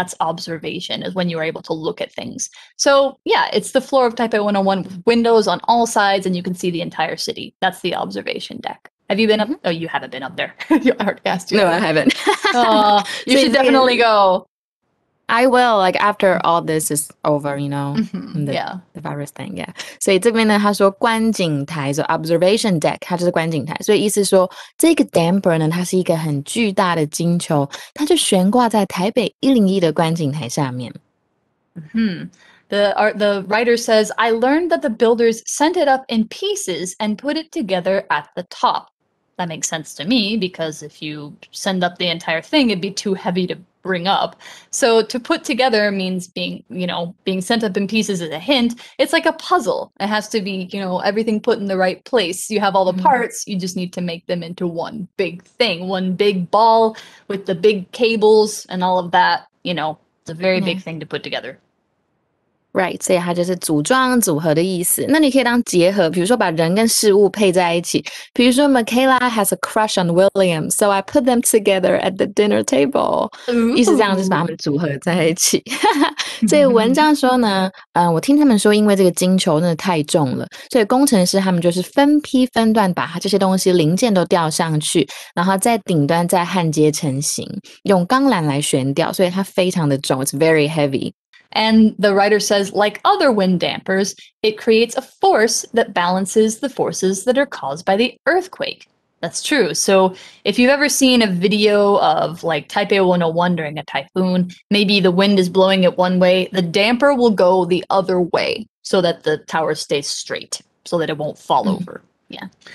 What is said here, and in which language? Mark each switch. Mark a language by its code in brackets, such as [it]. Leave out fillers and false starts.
[en] That's observation, is when you are able to look at things. So yeah, it's the floor of Taipei 101 with windows on all sides and you can see the entire city. That's the observation deck. Have you been up? Oh, you haven't been up there. I already asked you. No, I haven't. You should definitely go. I will, like, after all this is over, you know, the virus thing, yeah. [zh] 所以这边呢，他说观景台 ， [en] so observation deck， [zh] 它就是观景台。所以意思说，这个 damper 呢，它是一个很巨大的金球，它就悬挂在台北101的观景台下面。 [en] The writer says, I learned that the builders sent it up in pieces and put it together at the top. That makes sense to me, because if you send up the entire thing, it'd be too heavy to bring up. So to put together means being, you know, being sent up in pieces is a hint. It's like a puzzle. It has to be, you know, everything put in the right place. You have all the parts, you just need to make them into one big thing, one big ball with the big cables and all of that, you know, it's a very big thing to put together. [zh] Right, 所以它就是组装组合的意思。那你可以当结合，比如说把人跟事物配在一起。比如说 [en] Michaela has a crush on William, so I put them together at the dinner table. Ooh. [zh] 意思这样就是把他们组合在一起。所以文章说呢，我听他们说因为这个金球真的太重了，所以工程师他们就是分批分段把这些东西零件都吊上去，然后在顶端再焊接成型，用钢缆来悬吊，所以它非常的重， [en] it's very heavy. And the writer says, like other wind dampers, it creates a force that balances the forces that are caused by the earthquake. That's true. So if you've ever seen a video of like Taipei 101 during a typhoon, maybe the wind is blowing it one way, the damper will go the other way so that the tower stays straight, so that it won't fall over. Yeah.